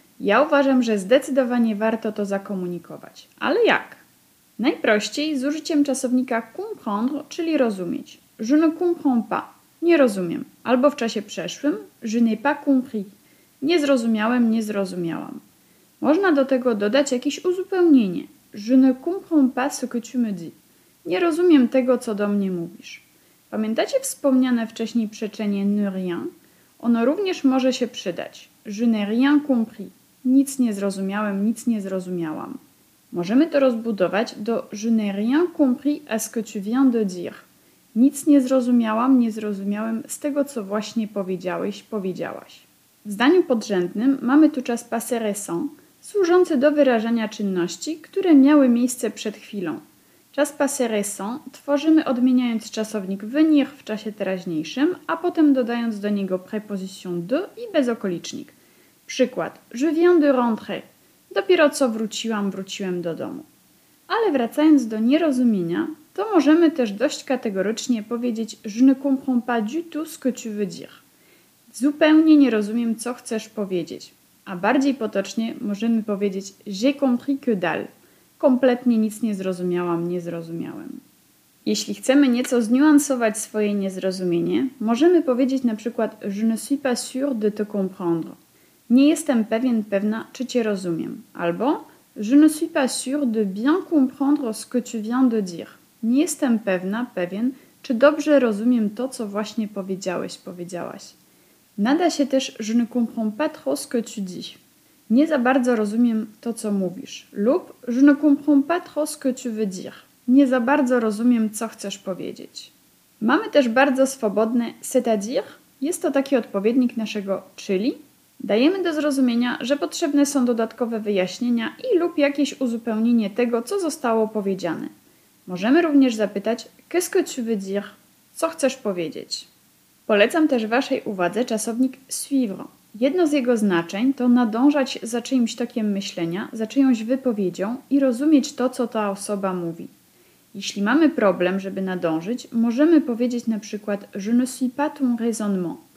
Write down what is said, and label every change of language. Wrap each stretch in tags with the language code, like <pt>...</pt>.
<pl>Ja uważam, że zdecydowanie warto to zakomunikować. Ale jak? Najprościej z użyciem czasownika comprendre, czyli rozumieć.</pl> <fr>Je ne comprends pas.</fr> <pl>Nie rozumiem. Albo w czasie przeszłym.</pl> <fr>Je n'ai pas compris.</fr> <pl>Nie zrozumiałem, nie zrozumiałam. Można do tego dodać jakieś uzupełnienie.</pl> <fr>Je ne comprends pas ce que tu me dis.</fr> <pl>Nie rozumiem tego, co do mnie mówisz. Pamiętacie wspomniane wcześniej przeczenie</pl> <fr>ne rien?</fr> <pl>Ono również może się przydać.</pl> <fr>Je n'ai rien compris.</fr> <pl>Nic nie zrozumiałem, nic nie zrozumiałam. Możemy to rozbudować do</pl> <fr>je n'ai rien compris à ce que tu viens de dire.</fr> <pl>Nic nie zrozumiałam, nie zrozumiałem z tego, co właśnie powiedziałeś, powiedziałaś. W zdaniu podrzędnym mamy tu czas passé récent, służący do wyrażania czynności, które miały miejsce przed chwilą. Czas passé récent tworzymy odmieniając czasownik venir w czasie teraźniejszym, a potem dodając do niego preposition de i bezokolicznik. Przykład.</pl> <fr>Je viens de rentrer.</fr> <pl>Dopiero co wróciłam, wróciłem do domu. Ale wracając do nierozumienia, to możemy też dość kategorycznie powiedzieć</pl> <fr>je ne comprends pas du tout ce que tu veux dire.</fr> <pl>Zupełnie nie rozumiem, co chcesz powiedzieć. A bardziej potocznie możemy powiedzieć</pl> <fr>j'ai compris que dalle.</fr> <pl>Kompletnie nic nie zrozumiałam, nie zrozumiałem. Jeśli chcemy nieco zniuansować swoje niezrozumienie, możemy powiedzieć na przykład</pl> <fr>je ne suis pas sûr de te comprendre.</fr> <pl>Nie jestem pewien, pewna, czy cię rozumiem. Albo</pl> <fr>je ne suis pas sûr de bien comprendre ce que tu viens de dire.</fr> <pl>Nie jestem pewna, pewien, czy dobrze rozumiem to, co właśnie powiedziałeś, powiedziałaś.</pl> <fr>Nada się też je ne comprends pas trop ce que tu dis.</fr> <pl>Nie za bardzo rozumiem to, co mówisz. Lub</pl> <fr>je ne comprends pas trop ce que tu veux dire.</fr> <pl>Nie za bardzo rozumiem, co chcesz powiedzieć. Mamy też bardzo swobodne c'est-à-dire. Jest to taki odpowiednik naszego czyli. Dajemy do zrozumienia, że potrzebne są dodatkowe wyjaśnienia i lub jakieś uzupełnienie tego, co zostało powiedziane. Możemy również zapytać</pl> <fr>qu'est-ce que tu veux dire?</fr> <pl>Co chcesz powiedzieć? Polecam też Waszej uwadze czasownik suivre. Jedno z jego znaczeń to nadążać za czyimś tokiem myślenia, za czyjąś wypowiedzią i rozumieć to, co ta osoba mówi. Jeśli mamy problem, żeby nadążyć, możemy powiedzieć na przykład</pl> <fr>je ne suis pas ton raisonnement.</fr>